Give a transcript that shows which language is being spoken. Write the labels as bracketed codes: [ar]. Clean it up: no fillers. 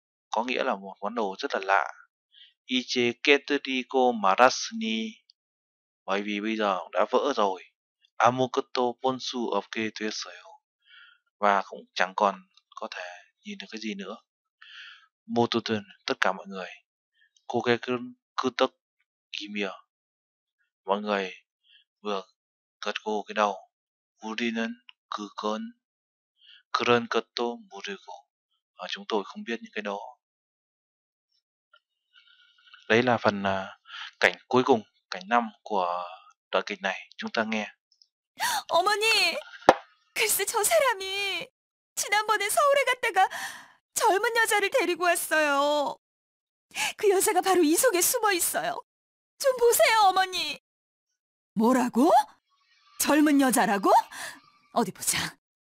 [vi] Có nghĩa là một món đồ rất là lạ. [ko] 이제 깨뜨리고 말았으니, [vi] bởi vì bây giờ đã vỡ rồi. [ko] 아무것도 볼 수 없게 됐어요. [vi] Và cũng chẳng còn có thể nhìn được cái gì nữa. [ko] 모두들, [vi] tất cả mọi người. [ko] 고개를 끄덕이며, [vi] mọi người vừa gật gù cái đầu. [ko] 우리는 그건 그런 것도 모르고. [vi] Và chúng tôi không biết những cái đó. Đấy là phần cảnh cuối cùng, cảnh 5 của đoạn kịch này. Chúng ta nghe. [ko] 어머니, 글쎄 저 사람이 지난번에 서울에 갔다가 젊은 여자를 데리고 왔어요. 그 여자가 바로 이 속에 숨어 있어요. 좀 보세요, 어머니. 뭐라고? 젊은 여자라고? 어디 보자.